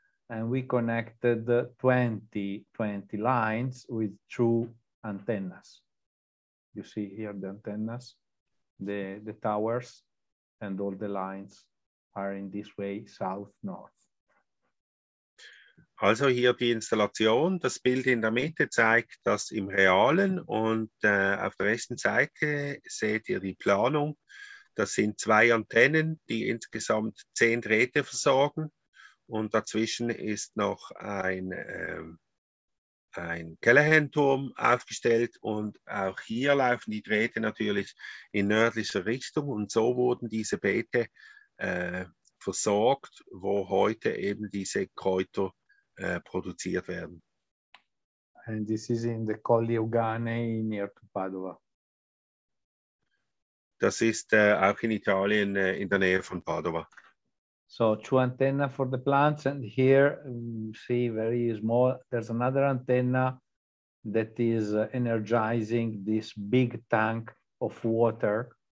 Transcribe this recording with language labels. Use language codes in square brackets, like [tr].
[en] And we connected 20 lines with two antennas. You see here the antennas, the towers, and all the lines are in this way, south-north. [de] Also hier die Installation, das Bild in der Mitte zeigt das im Realen. Und auf der rechten Seite seht ihr die Planung. Das sind zwei Antennen, die insgesamt 10 Drähte versorgen. Und dazwischen ist noch ein Callahan-Turm aufgestellt. Und auch hier laufen die Drähte natürlich in nördlicher Richtung. Und so wurden diese Beete versorgt, wo heute eben diese Kräuter produziert werden. [en] And this is in the Colli Euganei near to Padova. [de] Das ist auch in Italien in der Nähe von Padova. [en] So, two antenna for the plants, and here, see, very small, there's another antenna that is energizing this big tank of water.